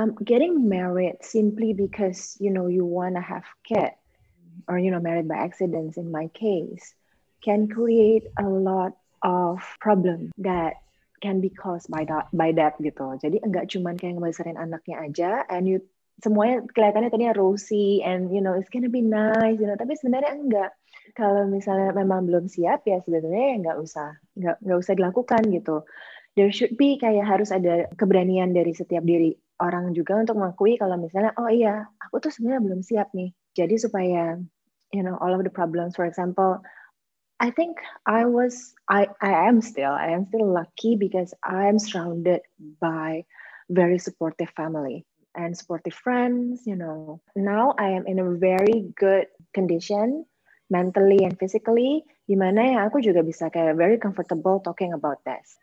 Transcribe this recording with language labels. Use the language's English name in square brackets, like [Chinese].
[English] Getting married simply because, you know, you want to have kid, or, you know, married by accidents in my case, can create a lot of problem that can be caused by that gitu. [Indonesian] Jadi enggak cuman kayak ngebesarin anaknya aja, [English] and you [Indonesian] semuanya kelihatannya tadinya [English] rosy and you know it's gonna be nice, you know, [Indonesian] tapi sebenarnya enggak. Kalau misalnya memang belum siap ya sebenarnya enggak usah dilakukan gitu. [English] There should be [Indonesian] kayak harus ada keberanian dari setiap diri orang juga untuk mengakui kalau misalnya oh iya aku tuh sebenarnya belum siap nih. Jadi supaya [English] you know all of the problems, for example, I think I am still lucky because I am surrounded by very supportive family and supportive friends, you know. Now I am in a very good condition mentally and physically, [Indonesian] dimana ya aku juga bisa kayak [English] very comfortable talking about this.